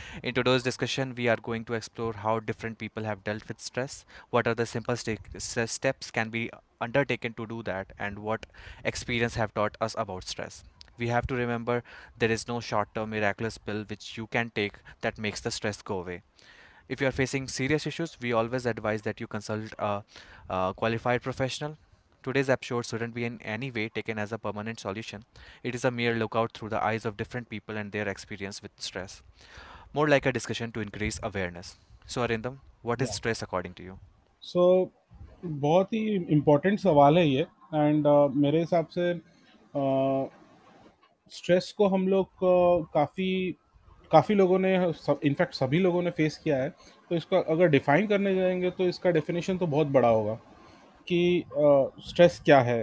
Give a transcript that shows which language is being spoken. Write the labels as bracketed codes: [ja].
[en] In today's discussion we are going to explore how different people have dealt with stress, what are the simple steps can be undertaken to do that, and what experience have taught us about stress. We have to remember there is no short term miraculous pill which you can take that makes the stress go away. If you are facing serious issues, we always advise that you consult a qualified professional. Today's episode shouldn't be in any way taken as a permanent solution. It is a mere lookout through the eyes of different people and their experience with stress. More like a discussion to increase awareness. So, Arindam, what is stress according to you? [hi] सो बहुत ही important सवाल है ये. And मेरे हिसाब से stress को हम लोग काफ़ी काफ़ी लोगों ने, इनफैक्ट सभी लोगों ने फेस किया है. तो इसका अगर डिफाइन करने जाएंगे तो इसका डेफिनेशन तो बहुत बड़ा होगा कि स्ट्रेस क्या है.